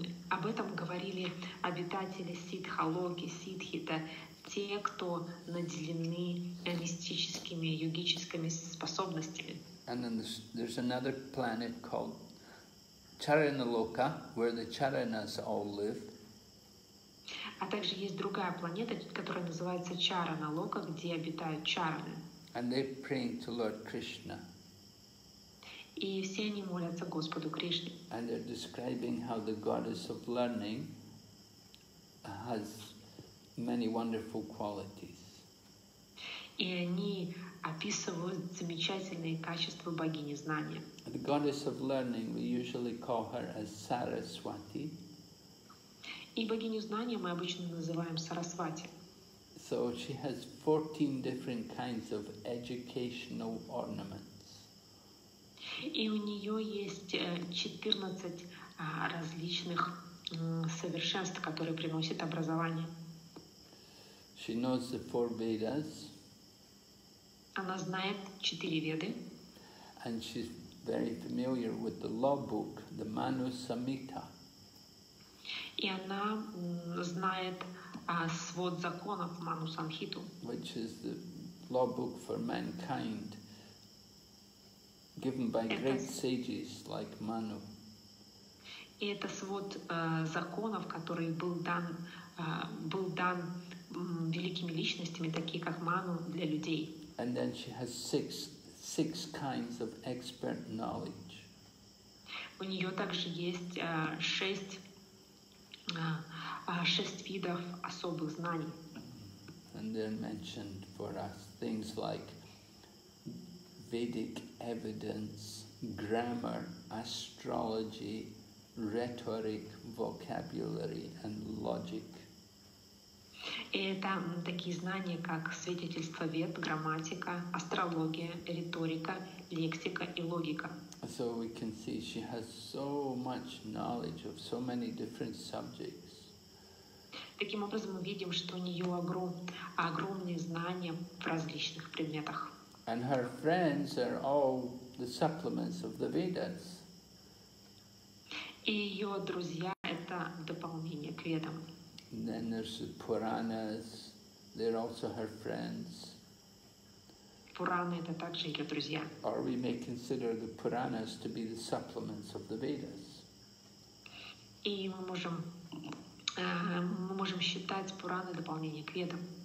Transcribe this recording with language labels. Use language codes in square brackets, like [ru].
[ru] Об этом говорили обитатели Ситхалоки, ситхи, это те, кто наделены мистическими, йогическими способностями. [en] And then there's another planet called Charanaloka, where the Charanas all live. [ru] А также есть другая планета, которая называется Чаранолока, где обитают Чараны. [en] And they're praying to Lord Krishna. [ru] И все они молятся Господу Кришне. [en] And they're describing how the goddess of learning has many wonderful qualities. [ru] И они описывают замечательные качества богини знания. [en] The goddess of learning, we usually call her as Saraswati. [ru] И богиню знания мы обычно называем Сарасвати. [en] So she has 14 different kinds of educational ornaments. [ru] И у нее есть 14 различных совершенств, которые приносят образование. [en] She knows the four Vedas. [ru] Она знает 4 Веды. [en] And she's very familiar with the law book, the Manu Samhita. [ru] И она знает свод законов Ману Самхиту, [en] which is the law book for mankind, given by great sages like Manu. [ru] И это свод законов, который был дан великими личностями, такие как Ману, для людей. [en] And then she has six kinds of expert knowledge. [ru] У нее также есть шесть видов особых знаний. [en] And they're mentioned for us things like Vedic evidence, grammar, astrology, rhetoric, vocabulary, and logic. [ru] И это такие знания, как свидетельство вед, грамматика, астрология, риторика, лексика и логика. [en] So we can see she has so much knowledge of so many different subjects. [ru] Таким образом, мы видим, что у нее огромные знания в различных предметах. [en] And her friends are all the supplements of the Vedas. [ru] И ее друзья — это дополнение к ведам. [en] And then there's the Puranas, they're also her friends. [ru] Пурана — это также ее друзья. [en] Or we may consider the Puranas to be the supplements of the Vedas. [ru] И мы можем считать Пураны дополнение к ведам.